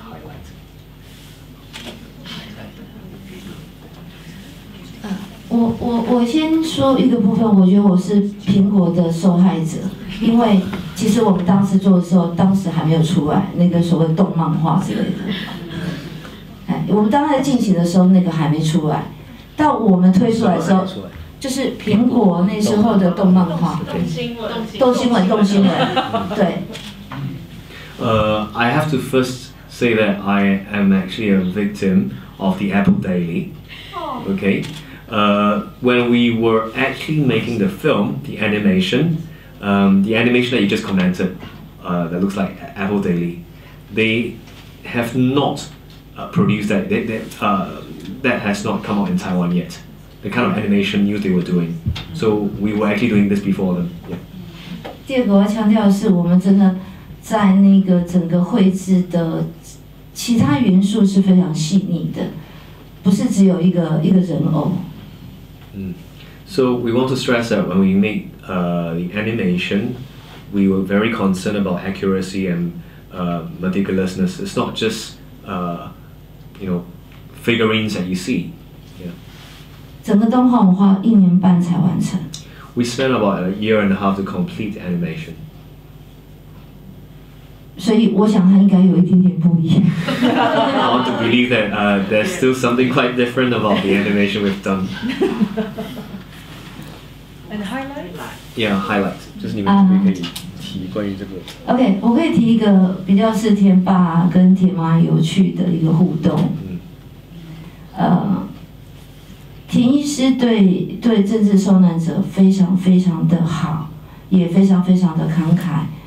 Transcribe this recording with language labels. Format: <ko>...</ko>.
<zh>highlight？我先说一个部分，我觉得我是苹果的受害者，因为其实我们当时做的时候，当时还没有出来那个所谓动漫化之类的。哎，我们当时在进行的时候，那个还没出来，到我们推出来的时候。就是苹果那时候的动漫画，动新闻，对。</zh> <en>I have to first say that I am actually a victim of the Apple Daily. Okay. When we were actually making the film, the animation that you just commented, that looks like Apple Daily, they have not produced that. That has not come out in Taiwan yet. The kind of animation news they were doing. So we were actually doing this before them. Yeah.</en> <zh>在那个整个绘制的其他元素是非常细腻的，不是只有一个人偶。嗯，</zh> <en>So we want to stress that when we made the animation, we were very concerned about accuracy and meticulousness. It's not just figurines that you see. Yeah.</en> <zh>整个动画我们花一年半才完成。</zh> <en>We spent about a year and a half to complete the animation.</en> <zh>所以我想它应该有一点点不一样。</zh> <en>I want to believe that there's still something quite different about the animation we've done. And highlight? Yeah, highlight.</en> <zh>就是你们可以提关于这个。 OK, 我可以提一个比较是田爸跟田妈有趣的一个互动。田医师对政治受难者非常非常的好，也非常非常的慷慨。</zh>